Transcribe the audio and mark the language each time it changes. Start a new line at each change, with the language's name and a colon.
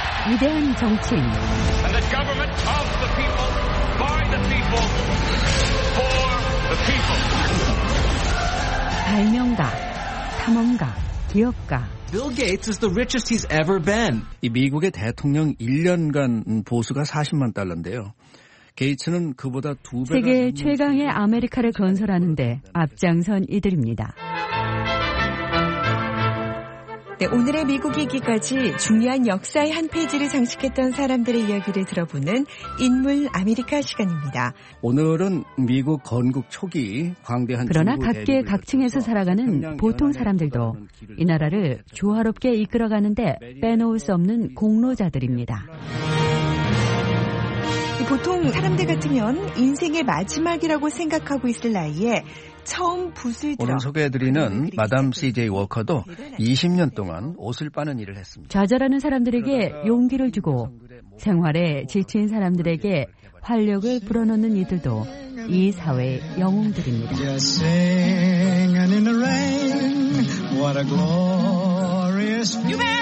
Korean: 위대한 정치인, 발명가, 탐험가, 기업가,
English: Bill Gates is the richest he's ever been.
Korean: 이 미국의 대통령 1년간 보수가 40만 달러인데요. 게이츠는 그보다 두 배가 세계 최강의 아메리카를 건설하는데 앞장선 이들입니다. 네, 오늘의 미국이기까지 중요한 역사의 한 페이지를 장식했던 사람들의 이야기를 들어보는 인물 아메리카 시간입니다. 오늘은 미국 건국 초기 광대한 그러나 각계 각층에서 살아가는 보통 사람들도 이 나라를 조화롭게 이끌어가는데 빼놓을 수 없는 공로자들입니다. 보통 사람들 같으면 인생의 마지막이라고 생각하고 있을 나이에 처음 붓을 들어 오늘 소개해드리는 마담 CJ 워커도 20년 동안 옷을 빠는 일을 했습니다. 좌절하는 사람들에게 용기를 주고 생활에 지친 사람들에게 활력을 불어넣는 이들도 이 사회의 영웅들입니다.
English: Just singing in the rain, what a glorious view.